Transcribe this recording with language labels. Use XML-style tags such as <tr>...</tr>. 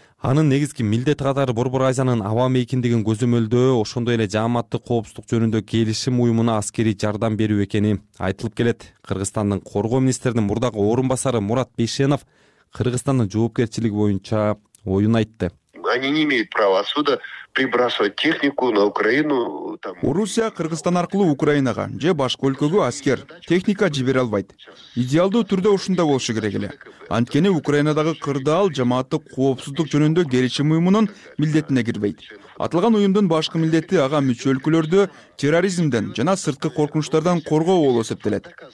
<ky>Анын негизги милдети катары Борбор Азиянын аба мейкиндигин көзөмөлдөө, ошондой эле жааматтык коопсуздук жөнүндө келишим уюмуна аскерий жардам берүү экени айтылып келет. Кыргызстандын коргоо министринин мурдагы орун басары Мурат Бейшенов Кыргызстандын жоопкерчилиги боюнча оюн айтты.</ky> <ru>Они не имеют права отсюда прибрасывать технику на Украину.</ru> <ky>Орусия Кыргызстан аркылуу Украинага же башка өлкөгө аскер, техника жибере албайт. Идеалдуу түрдө ушундай болушу керек эле. Анткени Украинадагы кырдаал жамааттык коопсуздук жөнүндө келишим уюмунун милдетине кирбейт. Атылган уюмдун башкы милдети ага мүчө өлкөлөрдү терроризмден жана сырткы коркунучтардан коргоо болуп эсептелет.</ky>